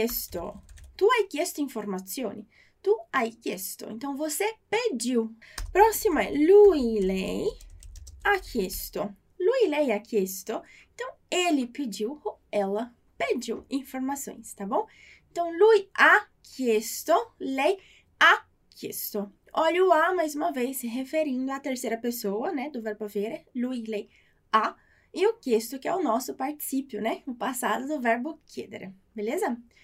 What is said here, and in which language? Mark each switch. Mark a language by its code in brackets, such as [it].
[it] Tu hai chiesto informazioni. Tu hai chiesto. [pt] Então, você pediu. [it] Próximo é lui, lei, ha chiesto. Lui, lei ha chiesto, [pt] então ele pediu ou ela pediu informações, tá bom? [it] Então, lui ha chiesto, lei ha chiesto. [pt] Olha o ha mais uma vez se referindo à terceira pessoa, né, do verbo avere, [it] lui, lei ha, [pt] e o chiesto que é o nosso participio, né, o passado do verbo chiedere, beleza?